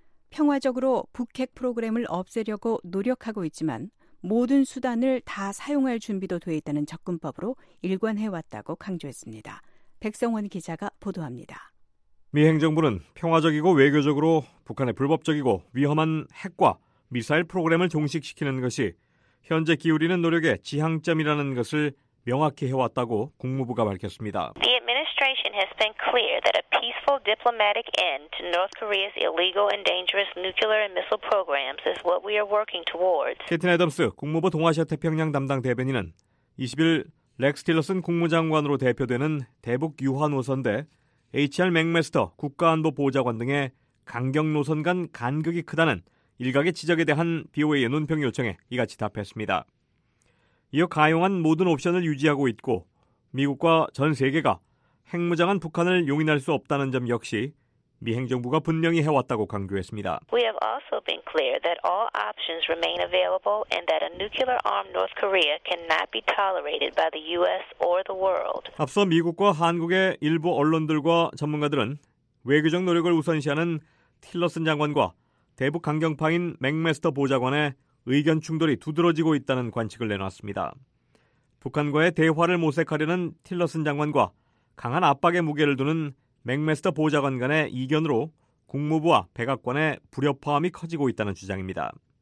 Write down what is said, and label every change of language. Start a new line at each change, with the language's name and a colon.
Korean: 평화적으로 북핵 프로그램을 없애려고 노력하고 있지만 모든 수단을 다 사용할 준비도 돼 있다는 접근법으로 일관해왔다고 강조했습니다. 백성원 기자가 보도합니다. 미 행정부는 평화적이고 외교적으로 북한의 불법적이고 위험한 핵과 미사일 프로그램을 종식시키는 것이 현재 기울이는 노력의 지향점이라는 것을 명확히 해왔다고 국무부가 밝혔습니다.
English: The administration has been clear that a peaceful diplomatic end to North Korea's illegal and dangerous nuclear and missile programs is what we are working towards.
Korean: 캐틴 애덤스 국무부 동아시아 태평양 담당 대변인은 20일 렉스 틸러슨 국무장관으로 대표되는 대북 유화 노선대 HR 맥메스터 국가안보보좌관 등의 강경 노선 간 간극이 크다는 일각의 지적에 대한 BOA의 논평 요청에 이같이 답했습니다. 이어 가용한 모든 옵션을 유지하고 있고 미국과 전 세계가 핵무장한 북한을 용인할 수 없다는 점 역시 미 행정부가 분명히 해왔다고 강조했습니다.
English: We have also been clear that all options remain available and that a nuclear-armed North Korea cannot be tolerated by the U.S. or the world.
Korean: 앞서 미국과 한국의 일부 언론들과 전문가들은 외교적 노력을 우선시하는 틸러슨 장관과 대북 강경파인 맥메스터 보좌관의 의견 충돌이 두드러지고 있다는 관측을 내놨습니다. 북한과의 대화를 모색하려는 틸러슨 장관과 강한 압박의 무게를 두는 맥메스터 보좌관 간의 이견으로 국무부와 백악관의 불협화음이 커지고 있다는 주장입니다.